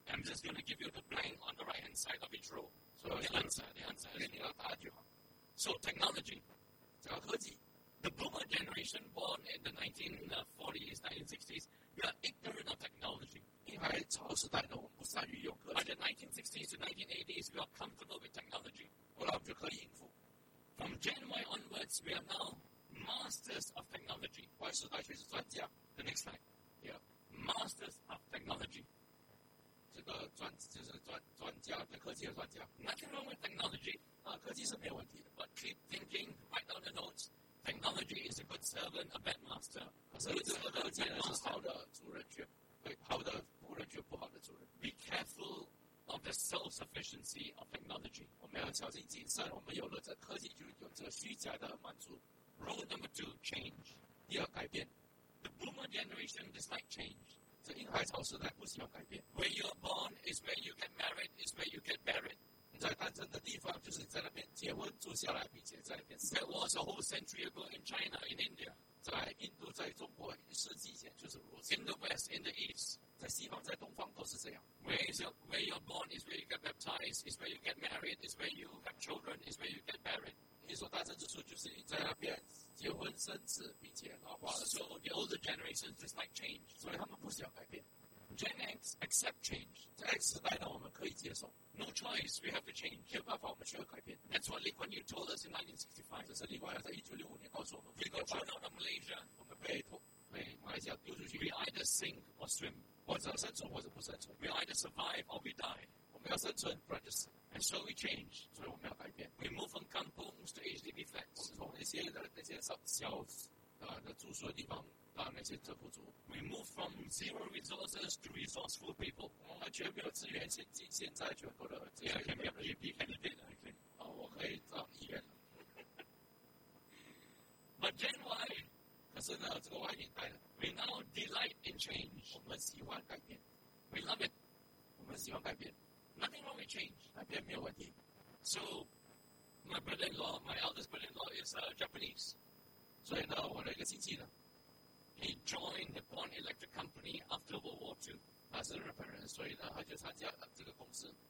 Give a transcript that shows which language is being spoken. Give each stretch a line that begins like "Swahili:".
English: I'm just going to give you the blank on the right-hand side of each row. So the answer, Okay,
Chinese: 你要答就好。
English: So technology,
Chinese: 讲科技。
English: The boomer generation born in the 1940s, 1960s, we are ignorant of technology.
Chinese: 因为潮时代呢，我们不善于用科技。
English: By the 1960s to 1980s, we are comfortable with technology.
Chinese: 后来我们就可以应付。
English: From Gen Y onwards, we are now masters of technology.
Chinese: Y 世代却是专家。
English: The next slide. Yeah. Masters of technology.
Chinese: 这个专就是专家对科技的专家。
English: Nothing wrong with technology.
Chinese: 啊，科技是没有问题的。
English: But keep thinking, write down the notes. Technology is a good servant, a bad master.
Chinese: 可是这个科技呢是好的主人却对好的仆人却不好的主人。
English: Be careful. Of the self-sufficiency of technology,
Chinese: 我们要小心谨慎。我们有了这科技，就有这虚假的满足。
English: Rule number two, change.
Chinese: 第二，改变。
English: The boomer generation dislike change.
Chinese: 这婴孩潮时代不需要改变。
English: Where you are born is where you get married, is where you get buried.
Chinese: 你在诞生的地方就是在那边结婚住下来，并且在那边死。
English: That was a whole century ago in China, in India.
Chinese: 在印度，在中国，一世纪前就是如此。
English: In the West, in the East.
Chinese: 在西方，在东方都是这样。
English: Where you're born is where you get baptized, is where you get married, is where you have children, is where you get buried.
Chinese: 你所诞生之处就是你在那边结婚生子，并且老化了。
English: So the older generations dislike change.
Chinese: 所以他们不想改变。
English: Gen X accept change.
Chinese: 在 X 时代呢，我们可以接受。
English: No choice, we have to change.
Chinese: 没有办法，我们需要改变。
English: That's what Lee Kuan Yew told us in 1965.
Chinese: 这是李光耀在1965年告诉我们。
English: We got thrown out of Malaysia.
Chinese: 我们被马来西亚丢出去。
English: We either sink or swim.
Chinese: 或者生存，或者不生存。
English: We either survive or we die.
Chinese: 我们要生存，不然就死。
English: And so we change.
Chinese: 所以我们要改变。
English: We move from kampungs to HDB flats.
Chinese: 我们从那些小的住宿的地方啊，那些政府组
English: ，we move from zero resources to resourceful people，
Chinese: 完全没有资源，现在全部的这些没有
English: GP candidate，
Chinese: 啊，我可以当议员。
English: But Gen Y，
Chinese: 可是呢，这个 Y 年代的
English: ，we now delight in change，
Chinese: 我们喜欢改变
English: ，we love it，
Chinese: 我们喜欢改变
English: ，nothing wrong with change，
Chinese: 改变没有问题。
English: So my brother-in-law， my eldest brother-in-law is Japanese，
Chinese: 所以呢，我的一个亲戚呢。
English: He joined the Nippon Electric Company after World War II.
Chinese: 他是日本人，所以呢，他就参加了这个公司。